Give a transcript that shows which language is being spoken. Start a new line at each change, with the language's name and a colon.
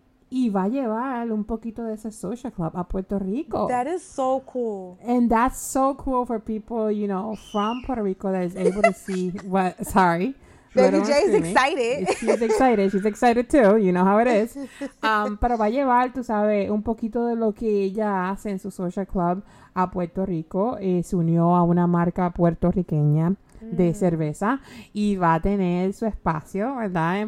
Spanish: Y va a llevar un poquito de ese social club a Puerto Rico.
English: That is so cool. And that's so cool for people, you know, from Puerto Rico that is able to see what... Sorry. Baby Jay's excited. She's excited too. You know how it is.
Spanish: Pero va a llevar, tú sabes, un poquito de lo que ella hace en su social club a Puerto Rico, se unió a una marca puertorriqueña de cerveza y va a tener su espacio, ¿verdad?